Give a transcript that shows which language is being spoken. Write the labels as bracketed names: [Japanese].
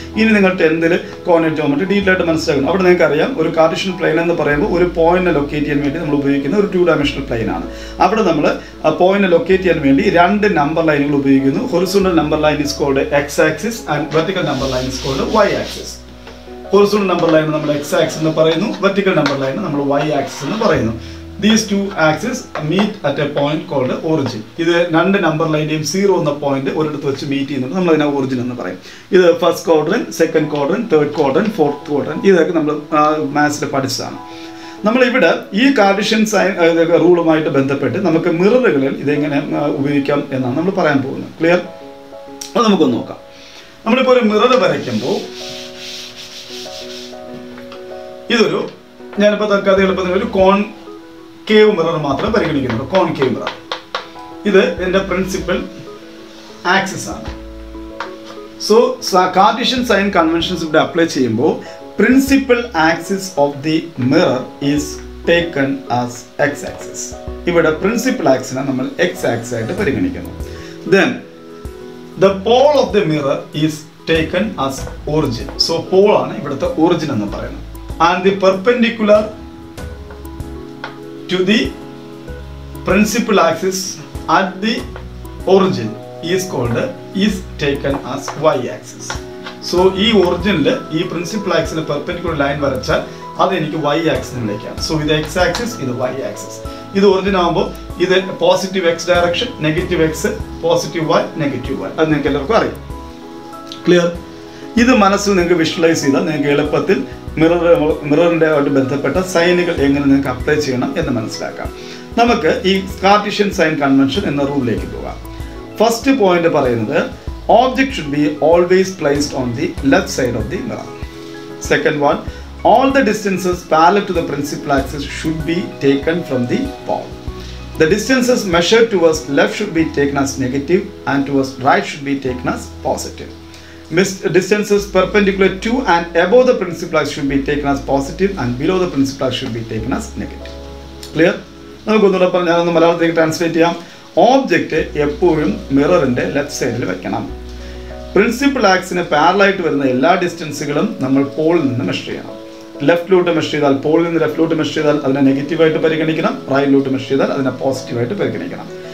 [Malayalam] ഇനി നിങ്ങൾ 10th coordinate geometry detail ആയിട്ട് മനസ്സിലാക്കണം. അവിടെ നിങ്ങൾക്ക് അറിയാം ഒരു കാർട്ടീഷ്യൻ പ്ലെയിൻ എന്ന് പറയുമ്പോൾ ഒരു പോയിന്റ് ലൊക്കേറ്റ് ചെയ്യാൻ വേണ്ടി നമ്മൾ ഉപയോഗിക്കുന്ന ഒരു 2-dimensional പ്ലെയിൻ ആണ്. അവിടെ നമ്മൾ പോയിന്റ് ലൊക്കേറ്റ് ചെയ്യാൻ വേണ്ടി 2 നമ്പർ ലൈനുകൾ ഉപയോഗിക്കുന്നു. [English] Horizontal number line is called x axis and vertical number line is called y axis. [Malayalam] Horizontal number line നമ്മൾ എക്സ് ആക്സിസ് എന്ന് പറയുന്നു, വെർട്ടിക്കൽ നമ്പർ ലൈൻ നമ്മൾ വൈ ആക്സിസ് എന്ന് പറയുന്നു. [English] These two axes meet at a point called origin. [Malayalam] ഇത് 2 number ലൈനിലെയും 0 എന്ന point ഒരിടത്ത് വെച്ച് മീറ്റ് ചെയ്യുന്നുണ്ട്, നമ്മൾ അതിനെ ഒറിജിൻ എന്ന് പറയും. ഇത് first quadrant, second quadrant, third quadrant, fourth quadrant, ഇതൊക്കെ നമ്മൾ മാത്സിൽ പഠിച്ചതാണ്. നമ്മളിവിടെ ഈ കാർട്ടീഷ്യൻ സൈൻ റൂളുമായിട്ട് ബന്ധപ്പെട്ട് നമുക്ക് മിററുകളിൽ ഇതെങ്ങനെ ഉപയോഗിക്കാം എന്നാണ് നമ്മൾ പറയാൻ പോകുന്നത്. ക്ലിയർ? അത് നമുക്കൊന്ന് നോക്കാം. നമ്മളിപ്പോൾ ഒരു മിറർ വരയ്ക്കുമ്പോൾ ഇതൊരു, ഞാനിപ്പോൾ തൽക്കാലത്തെ എളുപ്പത്തിൽ ഒരു കോൺ കേവ് മിറർ മാത്രമേ പരിഗണിക്കുന്നുള്ളൂ. കോൺ കേവ് മിറർ, ഇത് എൻ്റെ പ്രിൻസിപ്പൽ ആക്സിസ് ആണ്. [English] so Cartesian sign conventions [Malayalam] ഇവിടെ അപ്ലൈ ചെയ്യുമ്പോൾ [English] Principal axis of the mirror is taken as x axis. [Malayalam] ഇവിടെ പ്രിൻസിപ്പൽ ആക്സിനെ നമ്മൾ എക്സ് ആക്സിസ് ആയിട്ട് പരിഗണിക്കുന്നു. [English] Then the pole of the mirror is taken as origin. [Malayalam] So Paul ആണ് ഇവിടുത്തെ origin എന്ന് പറയുന്നത്. [English] And the perpendicular to the principal axis at the origin is called is taken as y axis. [Malayalam] So ഈ ഒറിജിനിൽ ഈ principal ആക്സിന് perpendicular line വരച്ചാൽ അത് എനിക്ക് y ആക്സിനെ വിളിക്കാം. സോ ഇത് എക്സ് ആക്സിസ്, ഇത് വൈ ആക്സിസ്. ഇത് ഒറിജിൻ ആകുമ്പോൾ ഇത് positive X direction, negative X, positive Y, negative Y. അത് നിങ്ങൾക്ക് എല്ലാവർക്കും അറിയാം. ക്ലിയർ? ഇത് മനസ്സിൽ നിങ്ങൾക്ക് വിഷ്വലൈസ് ചെയ്താൽ നിങ്ങൾക്ക് എളുപ്പത്തിൽ മിററിൻ്റെ ആയിട്ട് ബന്ധപ്പെട്ട സൈനുകൾ എങ്ങനെ നിങ്ങൾക്ക് അപ്ലൈ ചെയ്യണം എന്ന് മനസ്സിലാക്കാം. നമുക്ക് ഈ കാർട്ടീഷ്യൻ സൈൻ കൺവെൻഷൻ എന്ന റൂളിലേക്ക് പോകാം. [English] First point പറയുന്നത് object should be always placed on the left side of the mirror. Second one, all the distances parallel to the principal axis should be taken from the pole. The distances measured towards left should be taken as negative and towards right should be taken as positive. distances perpendicular to and above the principal axis should be taken as positive and below the principal axis should be taken as negative. Clear? [Malayalam] നമുക്കൊന്നുകൂടെ പറഞ്ഞു ഞാനൊന്ന് മലയാളത്തിലേക്ക് translate ചെയ്യാം. Object എപ്പോഴും മിററിൻ്റെ left സൈഡിൽ വെക്കണം. Principal ആക്സിന് പാരലായിട്ട് വരുന്ന എല്ലാ ഡിസ്റ്റൻസുകളും നമ്മൾ പോളിൽ നിന്ന് മെഷർ ചെയ്യണം. ലെഫ്റ്റിലോട്ട് മെഷർ ചെയ്താൽ, പോളിൽ നിന്ന് ലെഫ്റ്റിലോട്ട് മെഷർ ചെയ്താൽ അതിനെ നെഗറ്റീവായിട്ട് പരിഗണിക്കണം, റൈറ്റിലോട്ട് മെഷർ ചെയ്താൽ അതിനെ പോസിറ്റീവായിട്ട് പരിഗണിക്കണം.